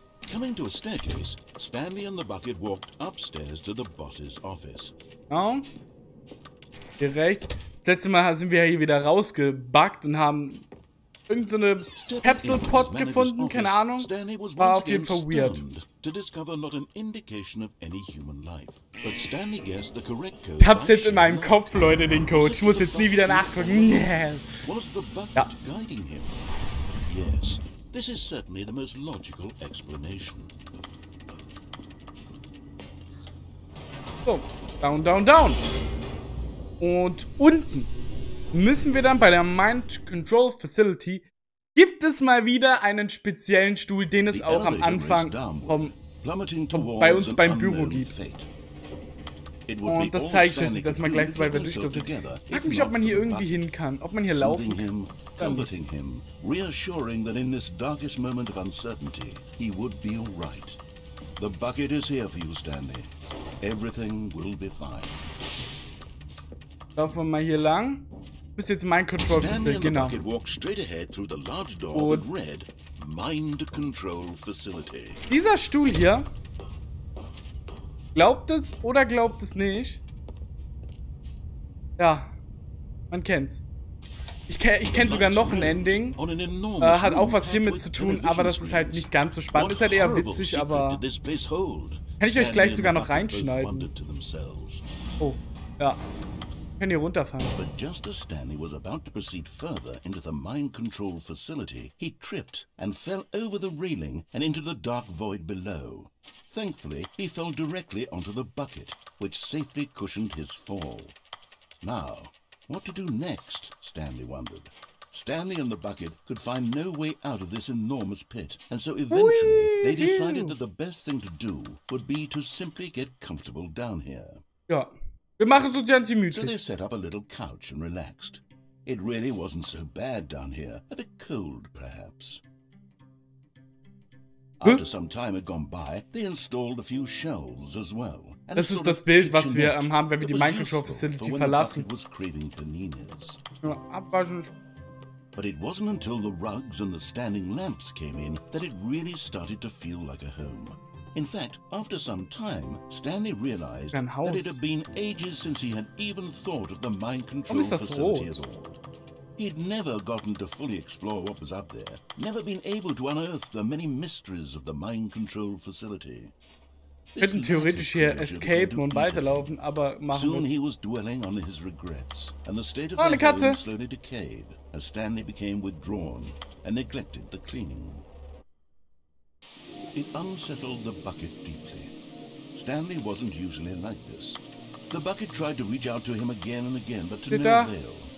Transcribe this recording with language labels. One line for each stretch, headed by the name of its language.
English: Coming to a staircase, Stanley and the bucket walked upstairs to the boss's office.
German: Genau. Hier rechts. Das letzte Mal sind wir hier wieder rausgebuggt und haben irgend so eine Pepsel-Pot gefunden, keine Ahnung. War auf jeden Fall weird.
English: To discover not an indication of any human life. But Stanley guessed the correct code.
German: Ich hab's jetzt in meinem Kopf, Leute, den Code. Ich muss jetzt nie wieder nachgucken.
English: Was the bucket guiding him? Yes. This is certainly the most logical explanation. So, down, down, down.
German: Und unten müssen wir dann bei der Mind Control Facility, gibt es mal wieder einen speziellen Stuhl, den es auch am Anfang bei uns beim Büro gibt. Und das zeige ich euch jetzt erstmal gleich, sobald wir durch das sind. Frag mich, ob man hier irgendwie hin kann, ob man hier laufen kann.
English: Reassuring that in this darkest moment of uncertainty, he would be all right. The bucket is here for you, Stanley. Everything will be fine.
German: Laufen wir mal hier lang. Das ist jetzt Mind Control Facility, genau.
English: Stanley walked straight ahead through the large door that read Mind Control Facility.
German: Dieser Stuhl hier, glaubt es oder glaubt es nicht? Ja, man kennt's. Ich kenne sogar noch ein Ending. Hat auch was hiermit zu tun, aber das ist halt nicht ganz so spannend. Ist halt eher witzig, aber kann ich euch gleich sogar noch reinschneiden. Oh, ja. Können hier runterfahren.
English: But just as Stanley was about to proceed further into the mind control facility, he tripped and fell over the railing and into the dark void below. Thankfully, he fell directly onto the bucket, which safely cushioned his fall. Now, what to do next? Stanley wondered. Stanley and the bucket could find no way out of this enormous pit, and so eventually they decided that the best thing to do would be to simply get comfortable down here.
German: Ja. Wir machen so ganz gemütlich.
English: So they set up a little couch and relaxed. It really wasn't so bad down here. A bit cold, perhaps. Huh? After some time had gone by, they installed a few shelves as well.
German: Das ist das Bild, was wir haben, wenn wir die Mind Control Facility verlassen.
English: Was craving paninis. But it wasn't until the rugs and the standing lamps came in that it really started to feel like a home. In fact, after some time, Stanley realized that it had been ages since he had even thought of the mind control facility at all. He'd never gotten to fully explore what was up there, never been able to unearth the many mysteries of the mind control facility.
German: Wir könnten theoretisch hier escapen und weiterlaufen, aber machen wir es. Oh, eine Katze!
English: Slowly decayed, as Stanley became withdrawn and neglected the cleaning. It unsettled the bucket deeply. Stanley wasn't usually like this. The bucket tried to reach out to him again and again, but to no avail.